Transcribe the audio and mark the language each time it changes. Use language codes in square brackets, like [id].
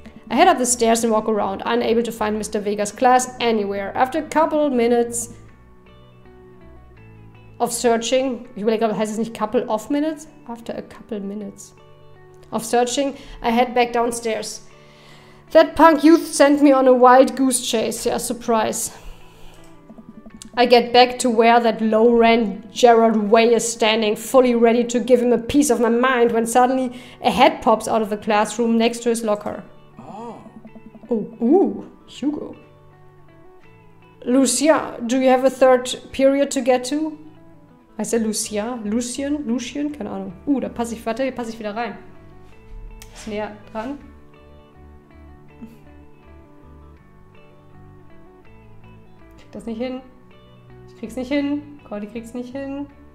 [en] I head up the stairs and walk around, unable to find Mr. Vega's class anywhere. After a couple minutes of searching, [de] ich überlege, aber heißt es nicht couple of minutes? [en] After a couple minutes of searching, I head back downstairs. That punk youth sent me on a wild goose chase. Yeah, surprise. I get back to where that low-rent Gerard Way is standing, fully ready to give him a piece of my mind, when suddenly a head pops out of the classroom next to his locker. Oh, ooh, Hugo. Lucia, do you have a third period to get to? I said Lucia, Lucien, Lucien, [de] keine Ahnung. Da passe ich, warte, hier passe ich wieder rein. Ist näher dran. Krieg das nicht hin. Ich krieg's nicht hin. Cordy krieg's nicht hin.